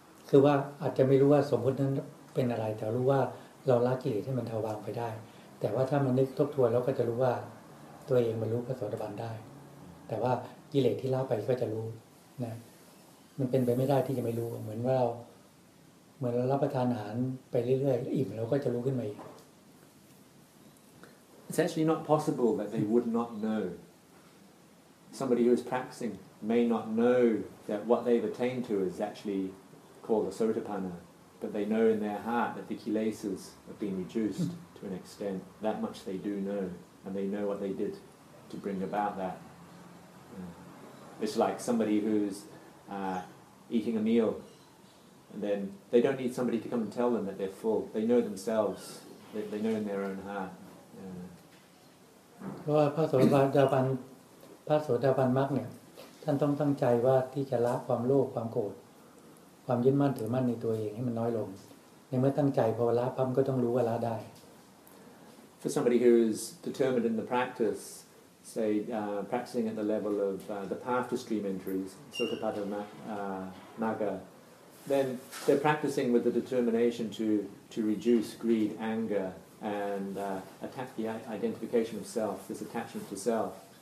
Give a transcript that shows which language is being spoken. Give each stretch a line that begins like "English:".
Thai: คือว่าอาจจะไม่รู้ว่าสมมตินั้นเป็นอะไรแต่รู้ว่าเราละกิเลสให้มันเบาบางไปได้แต่ว่าถ้ามันนึกทบทวนแล้วก็จะรู้ว่าตัวเองมารู้พระโสดาบันได้แต่ว่ากิเลสที่ละไปก็จะรู้นะมันเป็นไปไม่ได้ที่จะไม่รู้เหมือนเรารับประทานอาหารไปเรื่อยๆอิ่มแล้วก็จะรู้ขึ้นมา
English: It's actually not possible that they would not know. Somebody who is practicing may not know that what they've attained to is actually called a sotapanna, but they know in their heart that the kilesas have been reduced to an extent. That much they do know, and they know what they did to bring about that. It's like somebody who's eating a meal, and then they don't need somebody to come and tell them that they're full. They know themselves. They know in their own heart.
Thai: เพราะพระโสดาบันพระโสดาบันมรรคเนี่ยท่านต้องตั้งใจว่าที่จะละความโลภความโกรธความยึดมั่นถือมั่นในตัวเองให้มันน้อยลงในเมื่อตั้งใจพอละปั๊บก็ต้องรู้ว่าละได้
English: For somebody who's determined in the practice, say practicing at the level of the path to stream entries, Sotapada Magga, then they're practicing with the determination to reduce greed, angerAnd attack the identification of self, this attachment to self.